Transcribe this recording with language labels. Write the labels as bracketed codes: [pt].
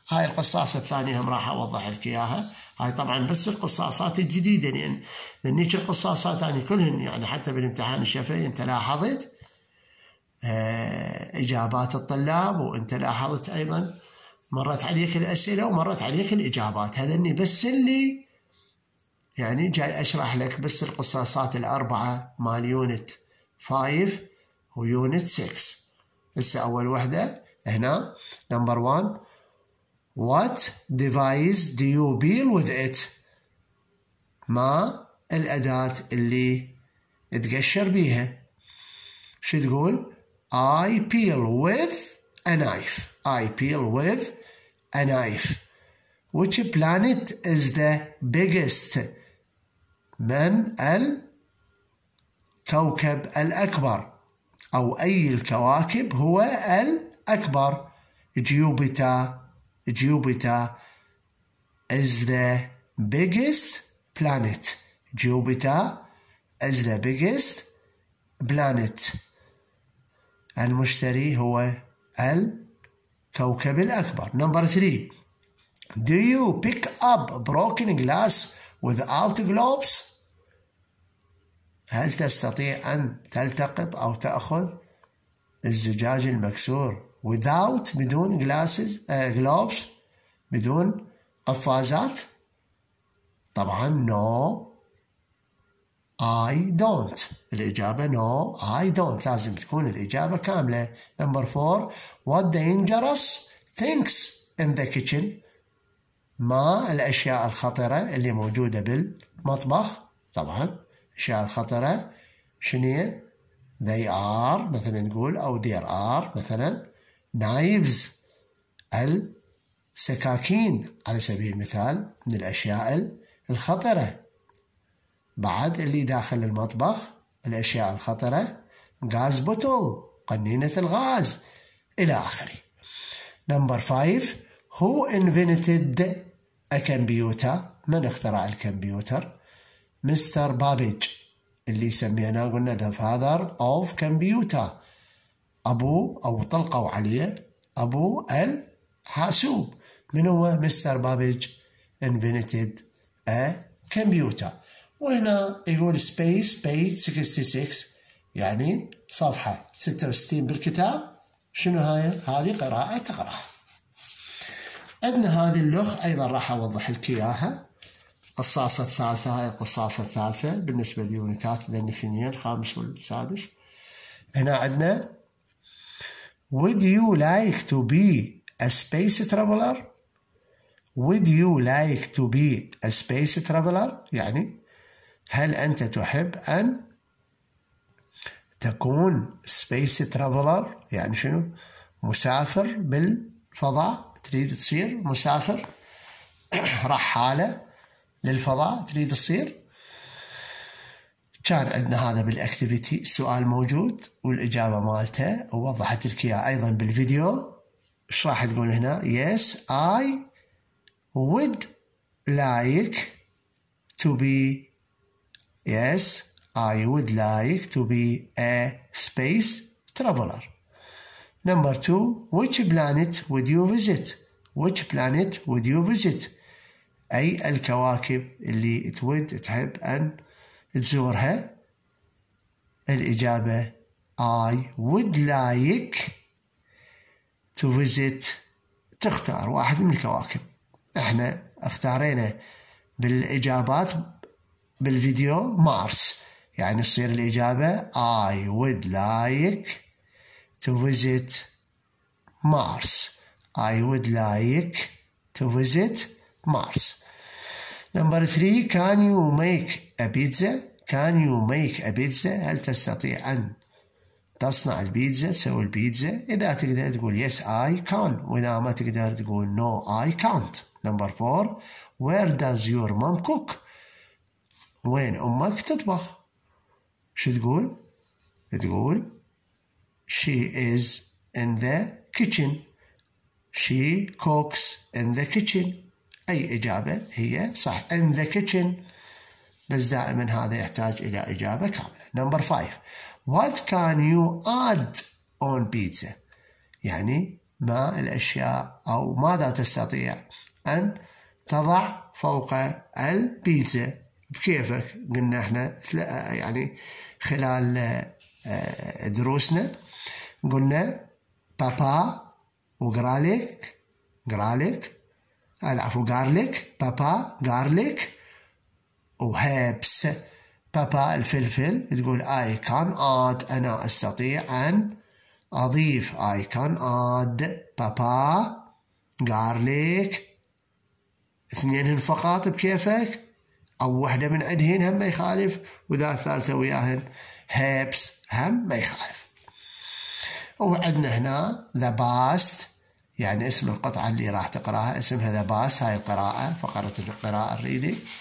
[ar] هاي القصاصة الثانية هم راح اوضح لك اياها. هاي طبعا بس القصاصات الجديدة, لان ايش القصاصات يعني كلهن يعني حتى بالامتحان الشفهي انت لاحظت إجابات الطلاب وأنت لاحظت أيضا مرت عليك الأسئلة ومرت عليك الإجابات. هذا أني بس اللي يعني جاي أشرح لك بس القصاصات الأربعة مال يونت 5 ويونت 6. بس أول واحدة هنا نمبر [en] 1, What device do you build with it? [ar] ما الأداة اللي تقشر بيها؟ شو تقول؟ [en] I peel with a knife. I peel with a knife. Which planet is the biggest? [ar] من الكوكب الأكبر؟ أو أي الكواكب هو الأكبر؟ Jupiter. [en] Jupiter is the biggest planet. Jupiter is the biggest planet. [ar] المشتري هو الكوكب الأكبر. [en] Number three. Do you pick up broken glass without gloves? [ar] هل تستطيع أن تلتقط أو تأخذ الزجاج المكسور without بدون glasses gloves بدون قفازات؟ طبعا [en] no I don't. الإجابة no, I don't. [ar] لازم تكون الإجابة كاملة. [en] Number four. What dangerous things in the kitchen? [ar] ما الأشياء الخطرة اللي موجودة بالمطبخ؟ طبعاً أشياء الخطرة شنية؟ [en] They are [ar] مثلاً نقول أو [en] there are [ar] مثلاً knives. السكاكين على سبيل المثال من الأشياء الخطرة. بعد اللي داخل المطبخ الأشياء الخطرة غاز بوتل قنينة الغاز إلى آخره. [en] Number five, who invented a computer? [ar] من اخترع الكمبيوتر؟ Mr. Babbage اللي سميناه قلنا [en] the father of computer, [ar] أبو أو طلقوا عليه أبو الحاسوب. من هو Mr. [en] Babbage invented a computer. [ar] وهنا يقول space page 66 يعني صفحة 66 بالكتاب. شنو هاي؟ هذه قراءة تقرأها. عندنا هذه اللوخ أيضا راح أوضح لك إياها. القصاصة الثالثة, هاي القصاصة الثالثة بالنسبة ليونتات لأن الثنين الخامس والسادس. [en] هنا عندنا Would you like to be a space traveler? Would you like to be a space traveler? [ar] يعني هل أنت تحب أن تكون space traveler؟ يعني شنو؟ مسافر بالفضاء؟ تريد تصير مسافر؟ رحالة؟ للفضاء تريد تصير؟ كان عندنا هذا بالاكتيفيتي، السؤال موجود والإجابة مالته، ووضحت لك اياه ايضا بالفيديو. ايش راح تقول هنا؟ [en] Yes I would like to be. Yes I would like to be a space traveler. Number two, which planet would you visit? Which planet would you visit? [ar] أي الكواكب اللي تود تحب أن تزورها؟ الإجابة [en] I would like to visit. [ar] تختار واحد من الكواكب. احنا اختارينا بالإجابات بالفيديو مارس، يعني تصير الإجابة [en] I would like to visit Mars. I would like to visit Mars. Number three, can you make a pizza? Can you make a pizza? [ar] هل تستطيع أن تصنع البيتزا، تسوي البيتزا؟ إذا تقدر تقول [en] yes I can، [ar] وإذا ما تقدر تقول [en] no I can't. Number four, where does your mom cook? [ar] وين أمك تطبخ؟ شو تقول؟ تقول [en] she is in the kitchen. She cooks in the kitchen. [ar] أي إجابة هي صح؟ [en] in the kitchen. [ar] بس دائما هذا يحتاج إلى إجابة كاملة. [en] Number five, what can you add on pizza؟ [ar] يعني ما الأشياء أو ماذا تستطيع أن تضع فوق البيتزا؟ بكيفك. قلنا احنا يعني خلال دروسنا قلنا بابا وغراليك، غراليك العفو غارليك، بابا غارليك وهيبس، بابا الفلفل. تقول [en] I can add، [ar] أنا أستطيع أن أضيف. [en] I can add [ar] بابا غارليك. اثنينهن فقط بكيفك، أو واحدة من عندهن هم ما يخالف، وذا الثالثة وياهن هيبس هم ما يخالف. وعندنا هنا the past، يعني اسم القطعة اللي راح تقرأها اسمها the past. هاي القراءة، فقرة القراءة الريدي.